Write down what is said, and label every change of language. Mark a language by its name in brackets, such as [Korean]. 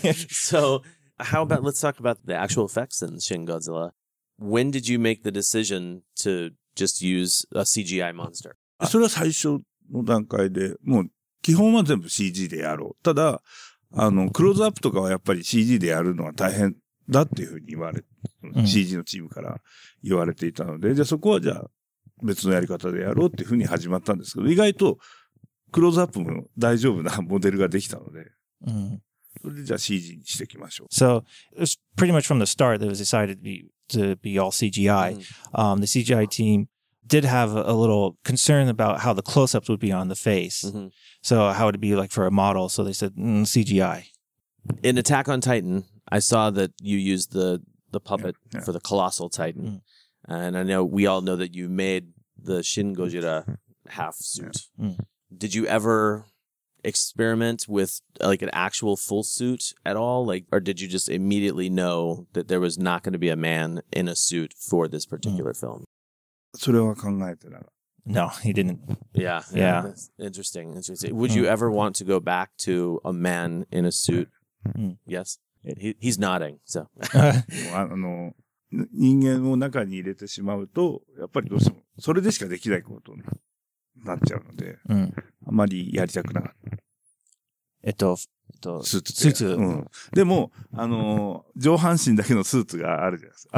[English] So how about, let's talk about the actual effects in Shin Godzilla. When did you make the decision to just use a CGI monster? [Japanese] それは最初の段階で、もう基本は全部 CG でやろう。ただ、あの、クローズアップとかはやっぱり CG でやるのは大変だっていうふうに言われ、CG のチームから言われていたので、じゃあそこはじゃあ別のやり方でやろうっていうふうに始まったんですけど、意外とクローズアップも大丈夫なモデルができたので、それでじゃあ CG にしていきましょう。 [English] So, it was pretty much from the start that it was decided to be all CGI. The CGI team did have a little concern about how the close-ups would be on the face. So how would it be like for a model? So they said, CGI. In Attack on Titan, I saw that you used the puppet for the Colossal Titan. Mm. And I know we all know that you made the Shin Godzilla half suit. Yeah. Mm. Did you ever experiment with like an actual full suit at all? Like, or did you just immediately know that there was not going to be a man in a suit for this particular film? [Japanese] それは考えてなかった。 [English] No, he didn't. Yeah. Interesting. Would you ever want to go back to a man in a suit? Yes? He's nodding, so. [Japanese] あの、人間を中に入れてしまうと、やっぱりどうしても、それでしかできないことになっちゃうので、あまりやりたくなかった。スーツ。うん。でも、あの、上半身だけのスーツがあるじゃないですか。